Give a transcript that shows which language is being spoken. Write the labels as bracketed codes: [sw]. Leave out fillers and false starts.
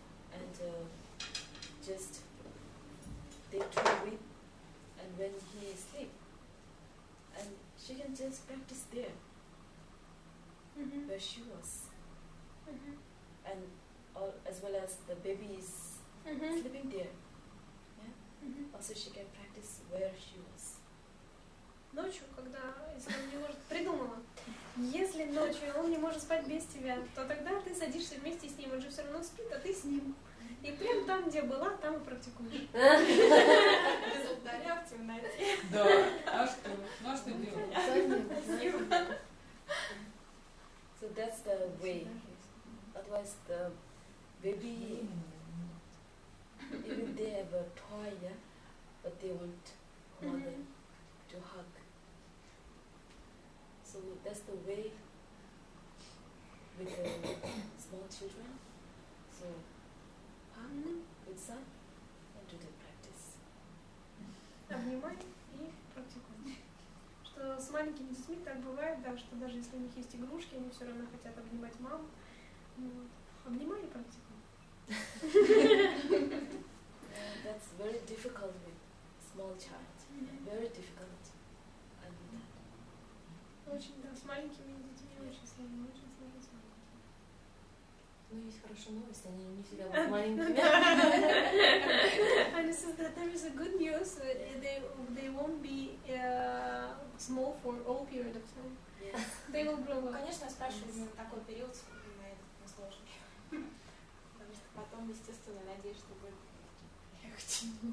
[en] And just they two with, and when he sleep, and she can just practice there, where she was, and all, as well as the baby is sleeping there, yeah. Also, she can practice where she was. [ru] Ночью, когда если он не может придумала, если ночью он не может спать без тебя, то тогда ты садишься вместе с ним, он же все равно спит, а ты с ним. И прям там, где была, там и практикуешь. Без алтаря в темноте. Да, а что? Ну а что делать? [en] So that's the way. Otherwise the baby, even they have a toy, yeah? But they want mother to hug. So that's the way with the small children. So good son, and do the practice. [ru] Обнимай и практикуй. Что с маленькими детьми так бывает, да, что даже если у них есть игрушки, они все равно хотят обнимать маму. Обнимай и практикуй. [en] That's very difficult with small child. Very difficult. I mean that. [ru] Очень, да, с маленькими детьми очень сложно, очень сложно. Ну, есть хорошая новость, они не всегда будут маленькими. [en] And so that there is a good news, they won't be small for all period of time. Yes. They will grow up. [ru] Конечно, я спрашиваю именно такой период, именно этот несложный. Потому что потом, естественно, я надеюсь, что будет легче.